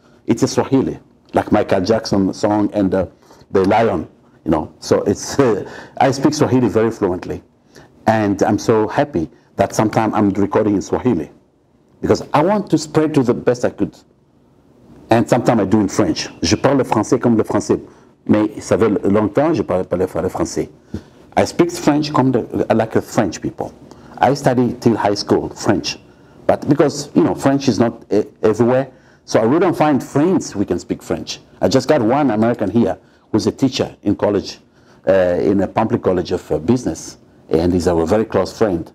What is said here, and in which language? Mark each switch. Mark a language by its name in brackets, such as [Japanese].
[English] It's a Swahili, like Michael Jackson song and the lion. So it's I speak Swahili very fluently, and I'm so happy that sometimes I'm recording in Swahili, because I want to spread to the best I could. And sometimes I do in French. [French] Je parle français comme le français, mais ça fait longtemps je parle pas le français. [English] I speak French like the French people. I study till high school French, but because French is not everywhere, so I really don't find friends we can speak French. I just got one American here who's a teacher in college, in a public college of business, and he's our very close friend.